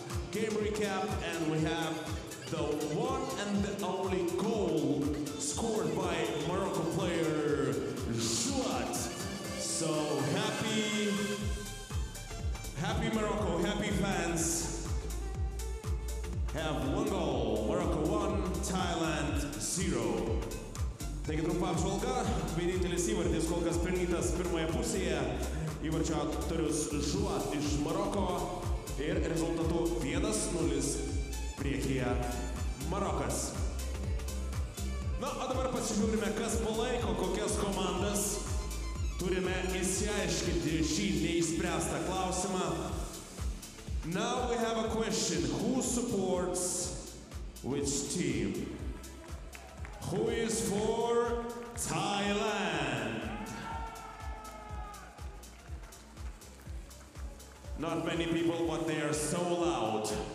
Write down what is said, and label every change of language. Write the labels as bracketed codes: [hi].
[en] game recap, and we have the one and the only goal scored by Morocco player Jouat. So happy, happy Morocco, happy fans. Have one goal, Morocco 1, Thailand 0. [lt] Taigi trumpa apžvalga, vienintelis įvartis kol kas pelnytas pirmoje pusėje. Įvarčio autorius Jouat iš Maroko ir rezultatu 1-0 priekyje Marokas. Na, o dabar pasižiūrime, kas palaiko, kokias komandas. Turime įsiaiškinti šį neįspręstą klausimą. [en] Now we have a question. Who supports which team? Who is for Thailand? Not many people, but they are so loud.